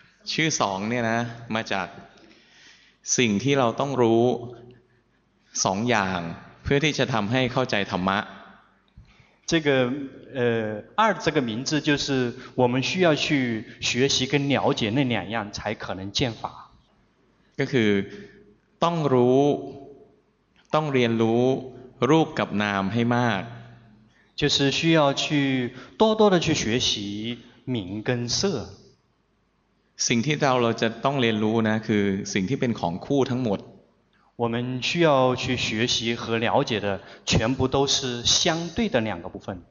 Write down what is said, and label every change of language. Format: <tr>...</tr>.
<th>ชื่อสองเนี่ยนะมาจากสิ่งที่เราต้องรู้สองอย่างเพื่อที่จะทำให้เข้าใจธรรมะ</th> <zh>这个二这个名字就是我们需要去学习跟了解那两样才可能见法</zh> <th>ก็คือต้องรู้ต้องเรียนรู้รูปกับนามให้มาก</th> <zh>就是需要去多多的去学习名跟色</zh> <th>สิ่งที่เราจะต้องเรียนรู้นะคือสิ่งที่เป็นของคู่ทั้งหมด</th> <zh>我们需要去学习和了解的全部都是相对的两个部分</zh>